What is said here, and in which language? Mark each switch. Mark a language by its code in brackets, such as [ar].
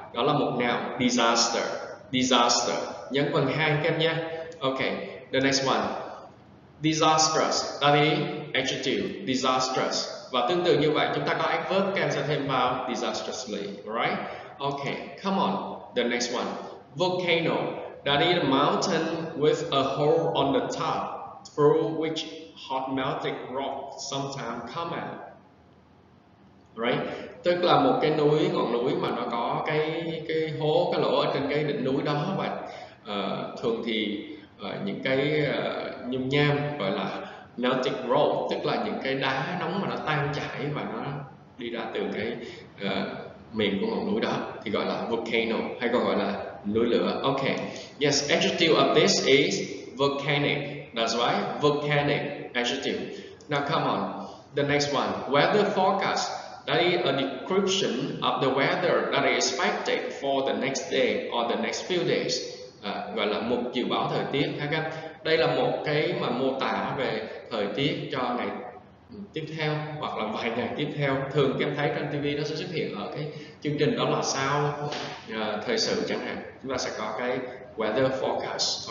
[vi] Đó là một noun, disaster. Disaster. Nhấn phần 2 kép nhé. [en] Okay, the next one. Disastrous, that is adjective, disastrous. [vi] Và tương tự như vậy, chúng ta có adverb kèm sẽ thêm vào disastrously, right? [en] Okay, come on, the next one. Volcano, that is a mountain with a hole on the top through which hot melted rock sometimes come out, right? [vi] Tức là một cái núi, ngọn núi mà nó có cái hố, cái lỗ ở trên cái đỉnh núi đó và thường thì những cái nhung nham gọi là melted rock, tức là những cái đá nóng mà nó tan chảy và nó đi ra từ cái miệng của ngọn núi đó thì gọi là volcano, hay còn gọi là núi lửa. [en] Okay, yes, adjective of this is volcanic. That's right, volcanic adjective. Now come on, the next one, weather forecast. That is a description of the weather that is expected for the next day or the next few days. [vi] Gọi là một dự báo thời tiết ha các. Đây là một cái mà mô tả về thời tiết cho ngày tiếp theo hoặc là vài ngày tiếp theo. Thường các em thấy trên TV nó sẽ xuất hiện ở cái chương trình đó là sao thời sự chẳng hạn. Chúng ta sẽ có cái weather forecast.